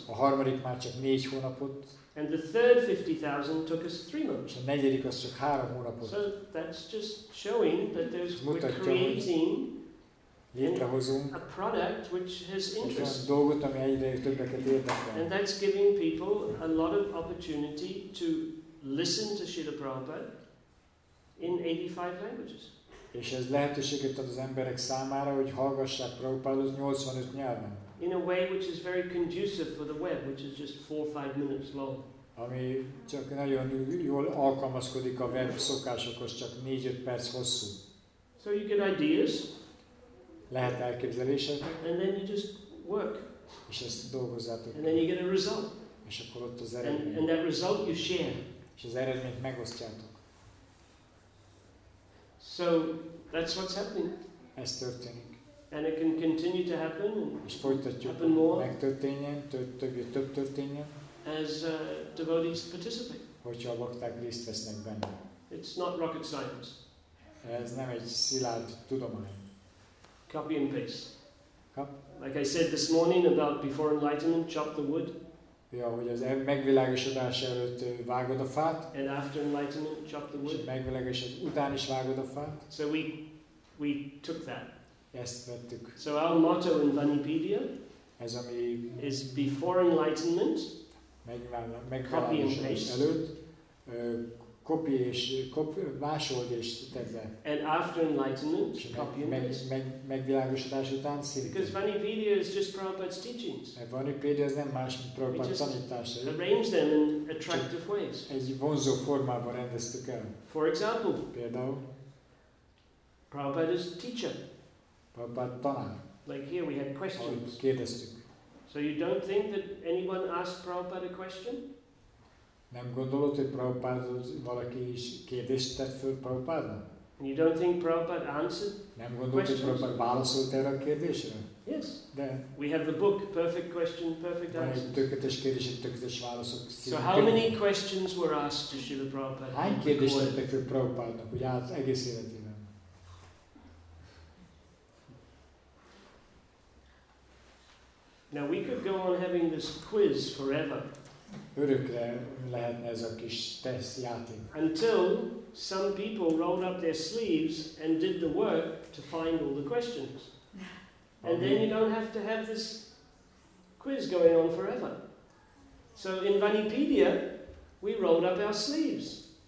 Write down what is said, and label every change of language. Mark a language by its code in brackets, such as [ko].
[hu] A harmadik már csak 4 hónapot. [en] And the third 50,000 took us 3 months. [hu] A negyedik az csak 3 hónapot. [en] So that's just showing that there's creating [hu] létrehozunk [en] a product which has interest. [hu] Egy dolgot, ami egyre többeket érdekel. [en] And that's giving people a lot of opportunity to listen to Srila Prabhupada in 85 languages. [hu] És ez lehetőséget ad az emberek számára, hogy hallgassák Prabhupádot 85 nyelven. [en] In a way which is very conducive for the web, which is just 4-5 minutes long. [hu] Ami csak nagyon jól alkalmazkodik a web szokásokhoz, csak 4-5 perc hosszú. [en] So you get ideas. [hu] Lehet elképzelésed. [en] And then you just work. [hu] És ezt dolgozzátok. [en] And then you get a result. [hu] És akkor ott az eredmény. [en] And that result you share. [hu] És az eredményt megosztjátok. [en] So that's what's happening. [hu] Ez történik. [en] And it can continue to happen. [hu] És folytatjuk. [en] Happen more. [hu] Megtörténjen, több történjen. [en] As devotees participate. [hu] Hogyha a bakták részt vesznek benne. [en] It's not rocket science. [hu] Ez nem egy szilárd tudomány. [en] Copy and paste. Cup. Like I said this morning about before enlightenment, chop the wood. [hu] Ja, hogy az megvilágosodás előtt vágod a fát. [en] And after enlightenment, chop the wood. [hu] És megvilágosodás után is vágod a fát. [en] So we took that. [hu] Ezt vettük. [en] So our motto in Vanipedia [hu] ez ami [en] is before enlightenment, copy and paste. [hu] Előtt, copy és vásold és tezze. [en] And after enlightenment, copy and [hu] megvilágosodás után szintén. [en] Because Vanipedia is just Prabhupada's teachings. [hu] A Vanipedia az nem más, mint Prabhupada tanítása. [en] We just arrange them in attractive ways. [hu] Egy vonzó formában rendeztük el. [en] For example, [hu] például, [en] Prabhupada's teacher. [hu] Prabhupada tanár. [en] Like here we had questions. [hu] Ahogy kérdeztük. [en] So you don't think that anyone asked Prabhupada a question? [hu] Nem gondolod, hogy Prabhupádot valaki is kérdést tett föl Prabhupádnak? [en] You don't think Prabhupada answered? [hu] Nem gondolod, [en] questions? [hu] Hogy Prabhupád válaszolt erre a kérdésre? [en] Yes. [hu] De. [en] We have the book Perfect Question, Perfect Answer. [hu] Tökéletes kérdés, tökéletes válaszok. [en] So how many questions were asked to Srila Prabhupada? [hu] Hány kérdést tettek föl Prabhupádnak, hogy az egész életében? [en] Now we could go on having this quiz forever. [hu] Örökre lehetne ez a kis tesz játék. [en] Until some people rolled up their sleeves and did the work to find all the questions. And then you don't have to have this quiz going on forever. So in Vanipedia, we rolled up our sleeves.